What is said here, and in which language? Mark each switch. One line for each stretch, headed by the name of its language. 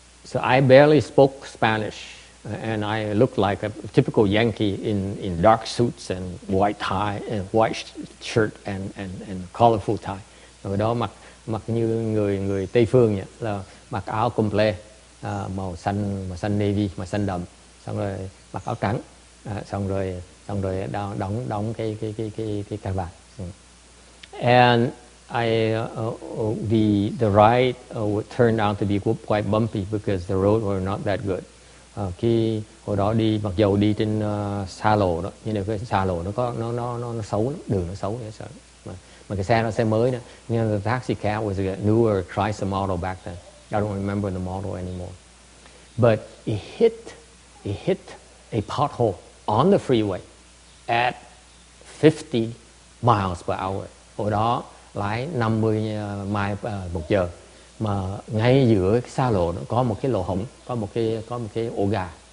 English: So I barely spoke Spanish, and I looked like a typical Yankee in dark suits and white tie and white shirt and colorful tie.
Vietnamese: Rồi đó mặc như người Tây phương nhỉ, là mặc áo complet màu xanh navy, màu xanh đậm, xong rồi mặc áo trắng, xong rồi đóng cái cà vạt.
English: And the ride turned out to be quite bumpy because the road were not that good.
Vietnamese: Khi hồi đó đi, mặc dù đi trên xa lộ đó, nhưng mà cái xa lộ nó xấu, đường nó xấu, mà cái xe nó xe mới nữa.
English: You know, the taxi cab was a newer Chrysler model back then. I don't remember the model anymore. But it hit a pothole on the freeway at 50 miles per hour.
Vietnamese: Hồi đó lái 50 mile một giờ, mà ngay giữa cái xa lộ nó có một cái lỗ hổng, có một cái ổ gà.